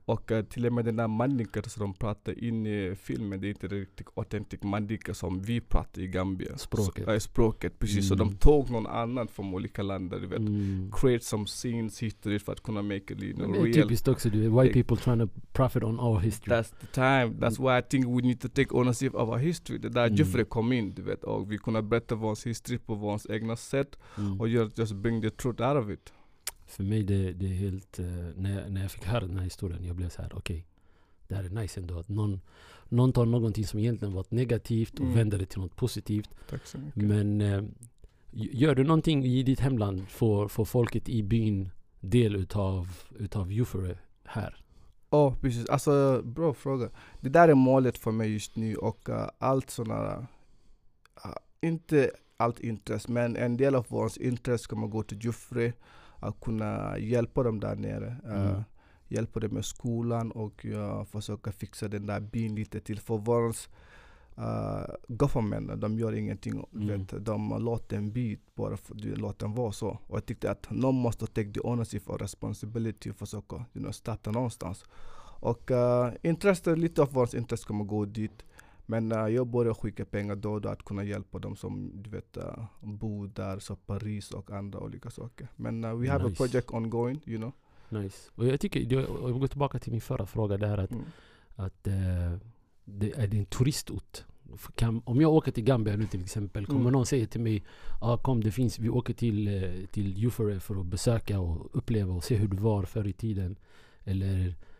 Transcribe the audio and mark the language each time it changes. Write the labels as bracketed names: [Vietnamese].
[Swedish] Och till och med den där mandinkar som de pratar in i filmen, det är inte riktigt autentisk mandinkar som vi pratar i Gambia. Språket. Språket, precis. Mm. Så de tog någon annan från olika länder, du vet. [English] Create some scenes, [Swedish] history för att kunna [English] make it, you know, real. [Swedish] Det är typiskt också, [English] white people trying to profit on our history. That's the time. That's why I think we need to take ownership of our history. [Swedish] Det där Jufure kom in, du vet. Och vi kunde berätta vår history på vår egna sätt. [English] Och just bring the truth out of it. [Swedish] För mig det är helt, när jag fick höra den här historien, jag blev så här, okej, det här är nice ändå att någon tar någonting som egentligen varit negativt och vänder det till något positivt. Tack så mycket. Men gör du någonting i ditt hemland för folket i byn del utav Jufure här? Oh, precis. Alltså, bra fråga. Det där är målet för mig just nu och allt sådana, inte allt intresse, men en del av vårt intresse kommer gå till Jufure. Att kunna hjälpa dem där nere. Hjälpa dem med skolan och försöka fixa den där byn lite till. För vår government, de gör ingenting. Vet. De låter en by bara låter den vara så. Och jag tyckte att någon måste ta [English] the ownership [Swedish] och responsibility och försöka starta någonstans. Och intresse, lite av vårt intresse kommer gå dit. Men jag började skicka pengar då att kunna hjälpa dem som du vet, bor där, så Paris och andra olika saker. [English] Men we have a project ongoing, you know. Nice. [Swedish] Och jag tycker, jag går tillbaka till min förra fråga där, att är det en turistort? Om jag åker till Gambia nu till exempel, kommer någon säga till mig, kom det finns, vi åker till Jufure för att besöka och uppleva och se hur det var förr i tiden? Eller...